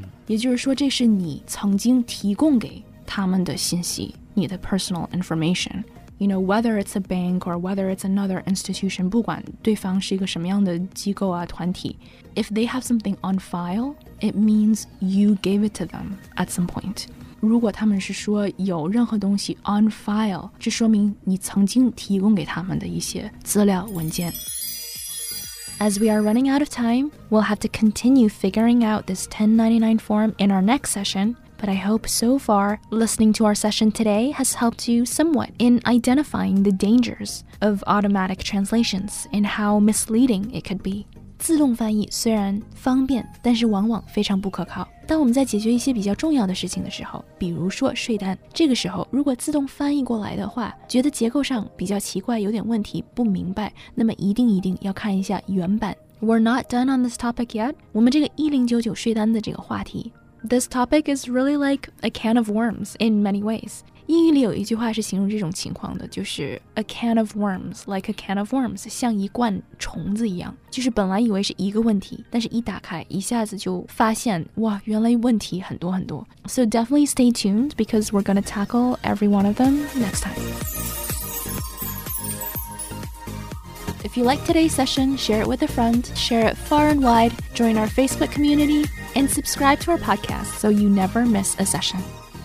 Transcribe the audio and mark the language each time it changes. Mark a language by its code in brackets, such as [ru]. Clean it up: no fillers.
[zh] 也就是说这是你曾经提供给他们的信息，你的 personal information。 [en] You know, whether it's a bank or whether it's another institution, [zh] 不管对方是一个什么样的机构啊团体 [en] if they have something on file, it means you gave it to them at some point. [zh] 如果他们是说有任何东西 on file, 这说明你曾经提供给他们的一些资料文件。 [en] As we are running out of time, we'll have to continue figuring out this 1099 form in our next session. But I hope so far, listening to our session today has helped you somewhat in identifying the dangers of automatic translations and how misleading it could be. [zh] 自动翻译虽然方便，但是往往非常不可靠。当我们在解决一些比较重要的事情的时候，比如说税单，这个时候如果自动翻译过来的话，觉得结构上比较奇怪，有点问题，不明白，那么一定要看一下原版。 [en] We're not done on this topic yet. [zh] 我们这个1099税单的这个话题。 [en] This topic is really like a can of worms in many ways. [zh] 英语里有一句话是形容这种情况的，就是 [en] a can of worms, like a can of worms, [zh] 像一罐虫子一样，就是本来以为是一个问题，但是一打开一下子就发现，哇，原来问题很多很多。 [en] So definitely stay tuned because we're going to tackle every one of them next time. If you like today's session, share it with a friend, share it far and wide, join our Facebook community,And subscribe to our podcast so you never miss a session.